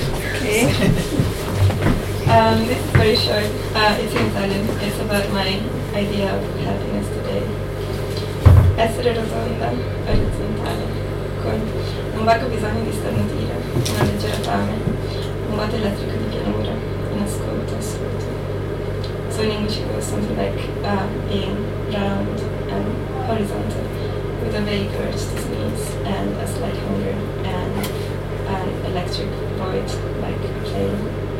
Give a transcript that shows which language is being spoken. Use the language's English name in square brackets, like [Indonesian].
[English] This is very short. It's in Italian. It's about my idea of happiness today. [Italian] Essere rotonda, orizzontale, con un vago bisogno di starnutire, una leggera fame, un vuoto elettrico di pianura, un ascolto assoluto. [English] So in English it goes something like being round and horizontal, with a vague urge to sneeze and a slight hunger and an electric void like playing.